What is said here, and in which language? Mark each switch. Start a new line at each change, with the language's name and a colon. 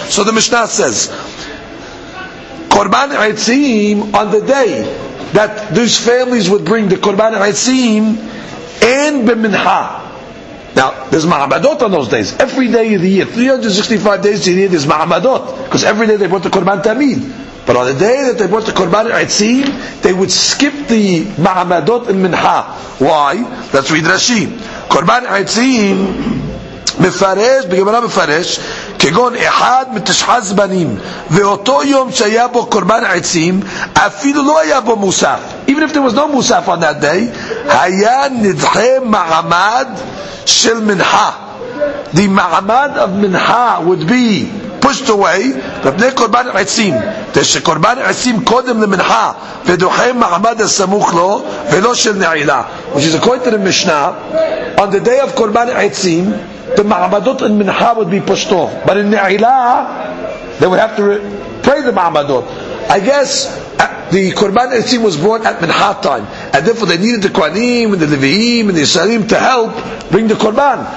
English: So the Mishnah says, korban etzim, on the day that these families would bring the korban etzim and b'mincha. Now, there's ma'amadot on those days. Every day of the year, 365 days of the year, there's ma'amadot. Because every day they brought the korban tamid. But on the day that they brought the korban etzim, they would skip the ma'amadot and mincha. Why? Let's read Rashi.
Hebrew: Korban etzim, mefaresh, b'gemara mefaresh, כגון אחד מתשחז בנים ואותו יום שהיה בו קורבן עצים אפילו לא היה בו מוסף.
English: Even if there was no מוסף on that day,
Hebrew: היה נדחה מעמד של מנחה.
English: The מעמד of מנחה would be pushed away
Hebrew: בפני קורבן עצים. תשקורבן עצים קודם למנחה ודוחה מעמד הסמוך לו ולא של נעילה.
English: Which is according to the Mishnah, on the day of קורבן עצים, the ma'amadot and mincha would be pushed off. But in ni'ilah, they would have to pray the ma'amadot. I guess the korban etzim was brought at mincha time. And therefore they needed the kohanim and the levi'im and the yisraelim to help bring the korban.